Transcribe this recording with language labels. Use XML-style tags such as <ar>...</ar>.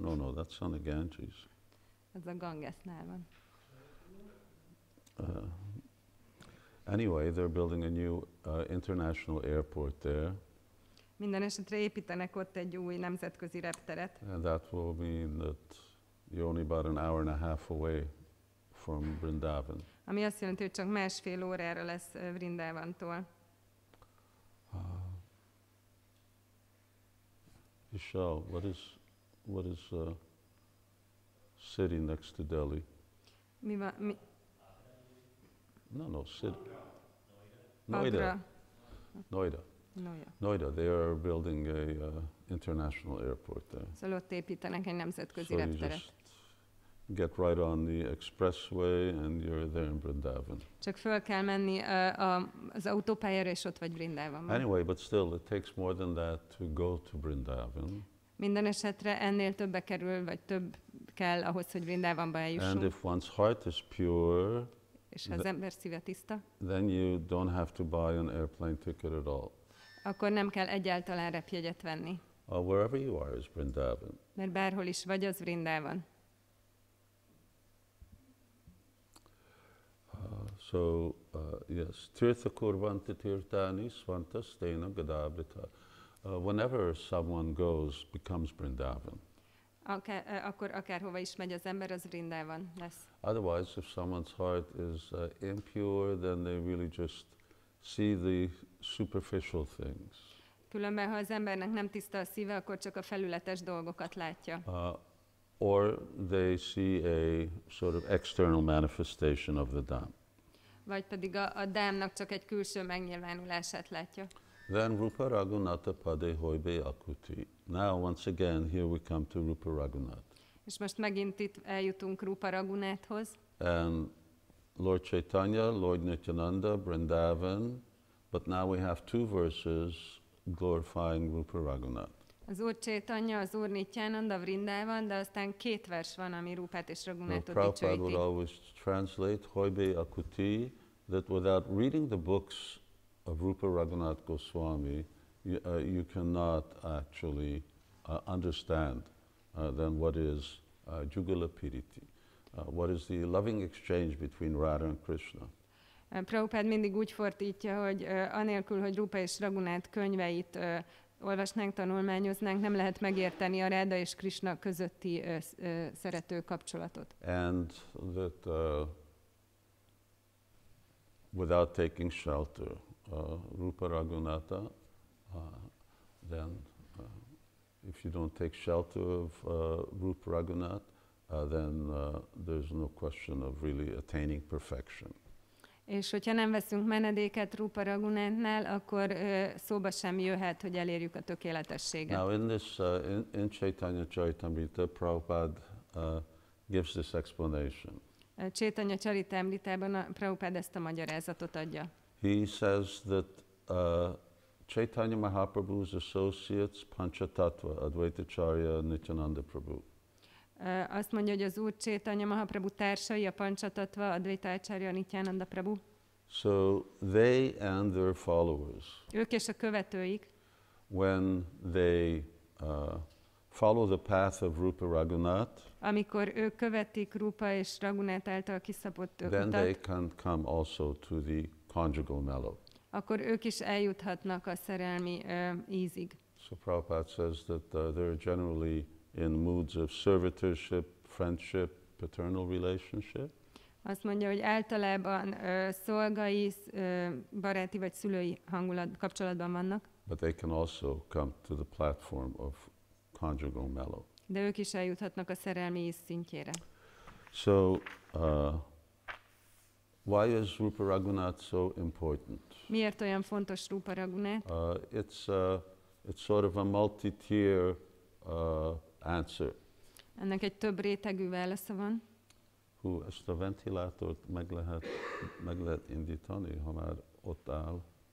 <en>No, no, that's on the Ganges.</en> <hu>That's a Gangesnál van.</hu> <en>Anyway, they're building a new international airport there.</en> <hu>Minden esetre építenek ott egy új nemzetközi repteret.</hu> <en>And that will mean that you're only about an hour and a half away from Vṛndāvana.</en> <hu>Ami azt jelenti, hogy csak másfél órára lesz Vṛndāvantól.</hu> <en>Vishal, what is the city next to Delhi? Noida. Noida. Noida. They are building a international airport there.</en> <hu>Szóval ott építenek egy nemzetközi repteret.</hu> <en>Get right on the expressway and you're there in Vṛndāvana.</en> <hu>Csak föl kell menni az autópályára, és ott vagy Vṛndāvanban.</hu> <en>Anyway, but still, it takes more than that to go to Vṛndāvana.</en> <hu>Minden esetre ennél többbe kerül, vagy több kell ahhoz, hogy Vṛndāvanba eljussunk.</hu> <en>And if one's heart is pure,</en> <hu>és az ember szíve tiszta,</hu> <en>then you don't have to buy an airplane ticket at all.</en> <hu>Akkor nem kell egyáltalán repjegyet venni.</hu> <en>Wherever you are is Vṛndāvana.</en> <hu>Mert bárhol is vagy, az Vṛndāvan.</hu> <en>So, yes,</en> <sa>Tirtha Kurvanti Tirthani Svanta Stena Gadavrita.</sa> <en>Whenever someone goes, becomes Vṛndāvana.</en> <hu>Akkor akárhova is megy az ember, az Vṛndāvan lesz.</hu> <en>Otherwise, if someone's heart is impure, then they really just see the superficial things.</en> <hu>Különben, ha az embernek nem tiszta a szíve, akkor csak a felületes dolgokat látja.</hu> <en>Or they see a sort of external manifestation of the Dham.</en> <hu>Vagy pedig a dámnak csak egy külső megnyilvánulását látja.</hu> <bn>Then Rupa Raghunatha Pade Hoibe Akuti.</bn> <en>Now once again here we come to Rupa Raghunath.</en> <hu>És most megint itt eljutunk Rupa Raghunathhoz.</hu> <en>And Lord Caitanya, Lord Nityananda, Vṛndāvana, but now we have two verses glorifying Rupa Raghunath.</en> <hu>Az Úr Caitanya, az Úr Nityananda, Vṛndāvana, de aztán két vers van, ami Rupát és Raghunathot dicsőíti.</hu> <en>Prabhupada would always translate Hoibe Akuti, that without reading the books of Rupa Raghunath Goswami, you cannot actually understand then what is Jugala Piriti, what is the loving exchange between Radha and Krishna.</en> <hu>Prabhupada mindig úgy fordítja, hogy anélkül, hogy Rupa és Raghunath könyveit olvasnánk, tanulmányoznánk, nem lehet megérteni a Radha és Krishna közötti szerető kapcsolatot.</hu> <en>And that without taking shelter, Rupa Raghunatha, then if you don't take shelter of Rupa Raghunath, then there's no question of really attaining perfection.</en> <hu>És hogyha nem veszünk menedéket Rupa Raghunathnál, akkor szóba sem jöhet, hogy elérjük a tökéletességet.</hu> <en>Now in this in Caitanya Charitamrita, Prabhupada gives this explanation.</en> <hu>Caitanya Charitamritában Prabhupada ezt a magyarázatot adja.</hu> <en>He says that Caitanya Mahaprabhu's associates Panchatattva Advaita Charya Nityananda Prabhu.</en> <hu>Azt mondja, hogy az Úr Caitanya Mahaprabhu társai, a Panchatattva, Advaita Acharya, Nityananda Prabhu.</hu> <en>So they and their followers.</en> <hu>Ők és a követőik.</hu> <en>When they follow the path of Rupa Raghunath.</en> <hu>Amikor ők követik Rupa és Raghunath által kiszabott utat.</hu> <en>Then they can come also to the conjugal mellow.</en> <hu>Akkor ők is eljuthatnak a szerelmi ízig.</hu> <en>So Prabhupada says that they're generally in moods of servitorship, friendship, paternal relationship.</en> <hu>Azt mondja, hogy általában szolgai, baráti vagy szülői hangulat kapcsolatban vannak.</hu> <en>But they can also come to the platform of conjugal mellow.</en> <hu>De ők is eljuthatnak a szerelmi íz szintjére.</hu> <en>So, why is Rupa Raghunath so important?</en> <hu>Miért olyan fontos Rupa Raghunath?</hu> <en>It's sort of a multi-tier answer.</en> <hu>Ennek egy több rétegű válasza van. Hú, ezt a ventilátort meg lehet indítani, ha már ott áll.</hu>